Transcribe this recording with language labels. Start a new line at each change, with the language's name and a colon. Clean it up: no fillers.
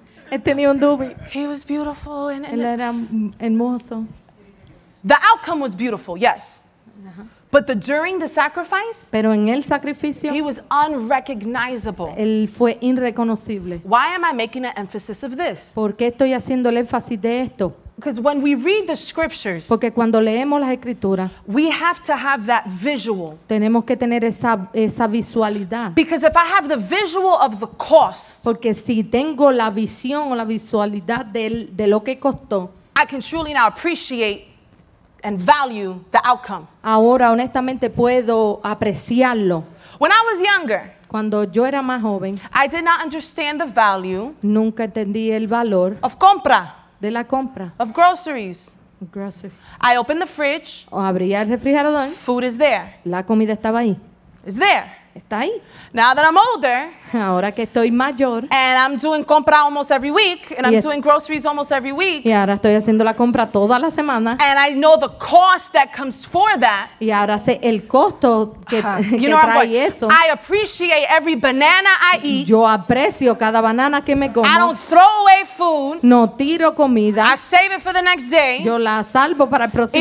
Spanish: Él tenía un doobie.
English: He was beautiful. And
Spanish: él era hermoso.
English: The outcome was beautiful, yes. But during the sacrifice,
Spanish: pero en el sacrificio,
English: he was unrecognizable.
Spanish: Él fue irreconocible.
English: Why am I making an emphasis of this?
Spanish: ¿Por qué estoy haciendo el énfasis de esto?
English: Because when we read the scriptures,
Spanish: porque cuando leemos las escrituras,
English: we have to have that visual.
Spanish: Tenemos que tener esa visualidad.
English: Because if I have the visual of the cost,
Spanish: porque si tengo la visión o la visualidad de lo que costó,
English: I can truly now appreciate and value the outcome.
Spanish: Ahora honestamente puedo apreciarlo.
English: When I was younger,
Spanish: cuando yo era más joven,
English: I did not understand the value,
Spanish: nunca entendí el valor
English: of compra,
Spanish: de la compra,
English: of groceries. Groceries. I opened the fridge,
Spanish: abría el refrigerador,
English: food is there.
Spanish: La comida estaba ahí.
English: It's there.
Spanish: Está ahí.
English: Now that I'm older,
Spanish: ahora que estoy mayor,
English: and I'm doing compra almost every week, and I'm doing groceries almost every week,
Spanish: y ahora estoy haciendo la compra toda la semana,
English: and I know the cost that comes for that,
Spanish: y ahora sé el costo que,
English: you
Spanish: que
English: know
Spanish: trae eso.
English: I appreciate every banana I eat.
Spanish: Yo aprecio cada banana que me como.
English: I don't throw away food.
Spanish: No tiro comida.
English: I save it for the next day.
Spanish: Yo la salvo para el próximo